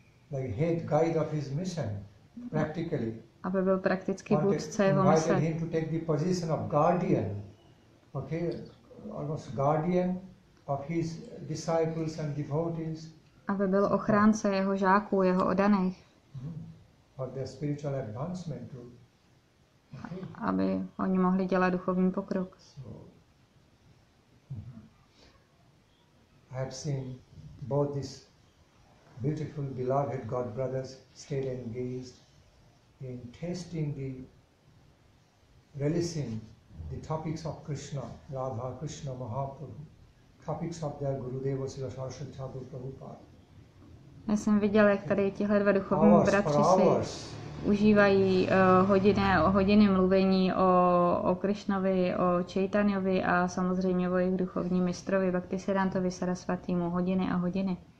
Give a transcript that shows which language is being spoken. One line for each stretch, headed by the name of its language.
English: Like head guide of his mission, practically.
Czech: Aby byl prakticky vůdce jeho mise.
English: Invited him to take the position of guardian, okay, almost guardian of his disciples and devotees.
Czech: Aby byl ochránce jeho žáků, jeho oddaných.
English: For their spiritual advancement too.
Czech: Aby oni mohli dělat duchovní pokrok.
English: I have seen both this beautiful, beloved God brothers stayed engaged in tasting the relishing the topics of Krishna, Radha, Krishna, Mahaprabhu, topics of their Gurudeva, Srila Saraswati Thakur, Prabhupada.
Czech: Já jsem viděl, jak tady tihle dva duchovní bratři si užívají hodiny mluvení o Krishnovi, o Chaitanyovi a samozřejmě o jejich duchovním mistrovi, Bhaktisiddhantovi Sarasvatýmu, hodiny a hodiny.